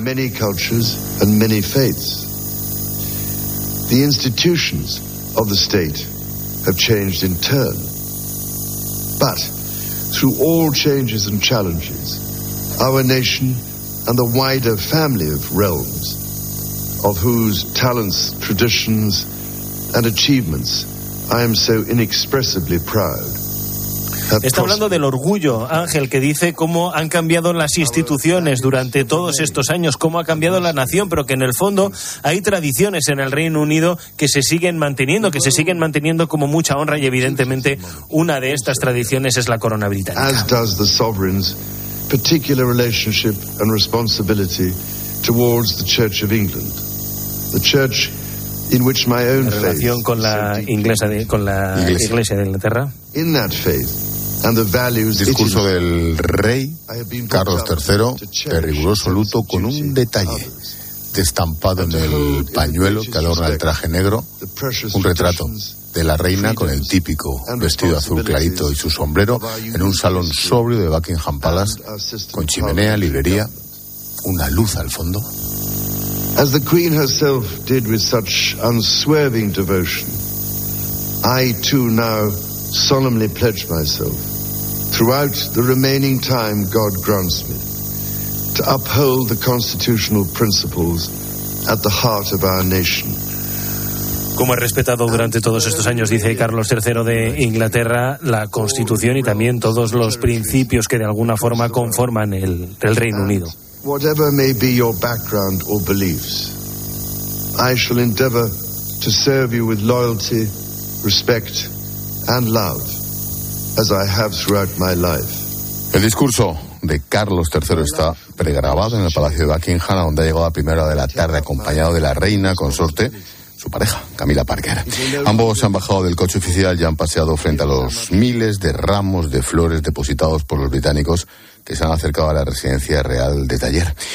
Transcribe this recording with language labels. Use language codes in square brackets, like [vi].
[en] Many cultures and many faiths. The institutions of the state have changed in turn. But through all changes and challenges, our nation and the wider family of realms, of whose talents, traditions, and achievements I am so inexpressibly proud. [es] Está hablando del orgullo, Ángel, que dice cómo han cambiado las instituciones durante todos estos años, cómo ha cambiado la nación, pero que en el fondo hay tradiciones en el Reino Unido que se siguen manteniendo como mucha honra y evidentemente una de estas tradiciones es la corona británica. [en] As does the sovereign's particular relationship and responsibility towards the Church of England. The Church in which my own faith. [es] La relación con la inglesa Iglesia de Inglaterra. [en] In that faith. And the values. [es] Discurso del rey Carlos III, de riguroso luto, con un detalle destampado en el pañuelo que adorna el traje negro, un retrato de la reina con el típico vestido azul clarito y su sombrero en un salón sobrio de Buckingham Palace, con chimenea, librería, una luz al fondo. [en] As the Queen herself did with such unswerving devotion, I too now solemnly pledge myself, throughout the remaining time God grants me, to uphold the constitutional principles at the heart of our nation. [es] Como he respetado durante todos estos años, dice Carlos III de Inglaterra, la Constitución y también todos los principios que de alguna forma conforman el Reino Unido. [en] Whatever may be your background or beliefs, I shall endeavor to serve you with loyalty, respect and love, as I have throughout my life. [es] El discurso de Carlos III está pregrabado en el Palacio de Buckingham, donde ha llegado a primera hora de la tarde acompañado de la reina consorte, su pareja, Camila Parker. Ambos se han bajado del coche oficial y han paseado frente a los miles de ramos de flores depositados por los británicos que se han acercado a la residencia real desde ayer.